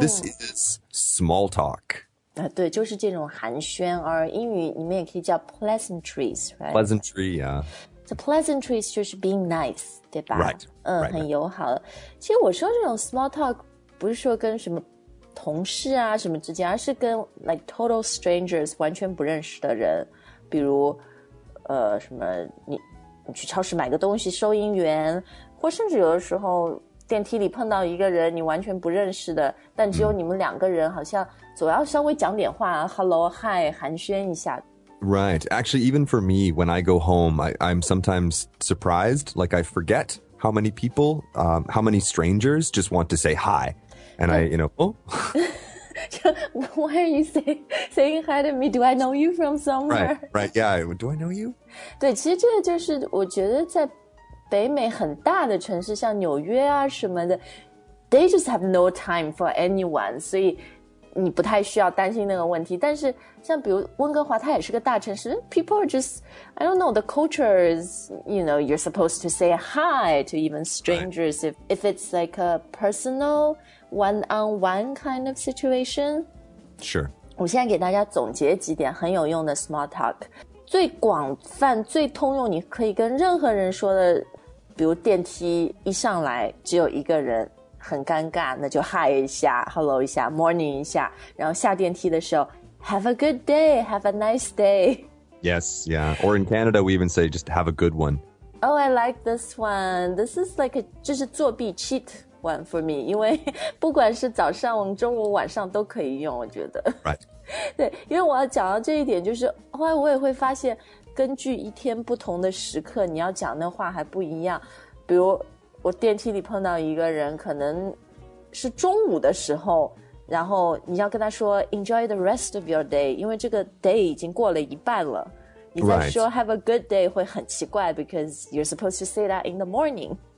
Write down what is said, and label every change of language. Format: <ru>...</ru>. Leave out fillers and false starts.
<en>This is small talk.、</en> <zh>对就是这种寒暄而英语里面也可以叫</zh> <en>pleasantries, right? Pleasantry, yeah. So pleasantries</en> <zh>就是</zh> <en>being nice.</en> <zh>对吧</zh> <en>right, 嗯 right,</en> <zh>很友好的、right. 其实我说这种 small talk 不是说跟什么同事啊什么之间而是跟</zh> <en>like total strangers</en> <zh>完全不认识的人比如什么 你去超市买个东西收银员或甚至有的时候电梯里碰到一个人你完全不认识的但只有你们两个人好像总要稍微讲点话、mm. hello, hi, 寒暄一下</zh> <en>Right. Actually, even for me, when I go home, I'm sometimes surprised. Like, I forget how many people,、how many strangers just want to say hi. And I, you know, oh. Why are you saying hi to me? Do I know you from somewhere? Right, right. Yeah. Do I know you?</en> <zh>对，其实这个就是我觉得在北美很大的城市，像纽约啊什么的</zh> <en>they just have no time for anyone.</en> <zh>所以你不太需要担心那个问题但是像比如温哥华它也是个大城市</zh> <en>People are just I don't know the culture is You know you're supposed to say hi To even strangers、right. if it's like a personal One on one kind of situation Sure</en> <zh>我现在给大家总结几点很有用的 small talk 最广泛最通用你可以跟任何人说的比如电梯一上来只有一个人很尴尬那就 hi 一下 hello 一下 morning 一下然后下电梯的时候</zh> <en>have a good day have a nice day yes yeah or in Canada we even say just have a good one oh I like this one this is like a</en> <zh>就是作弊</zh> <en>cheat one for me</en> <zh>因为不管是早上中午晚上都可以用我觉得</zh> <en>right</en> <zh>对因为我要讲到这一点就是后来我也会发现根据一天不同的时刻你要讲的话还不一样比如我电梯里碰到一个人可能是中午的时候然后你要跟他说</zh> <en>enjoy the rest of your day</en> <zh>因为这个 day 已经过了一半了你再说 have a good day 会很奇怪</zh> <en>because you're supposed to say that in the morning</en>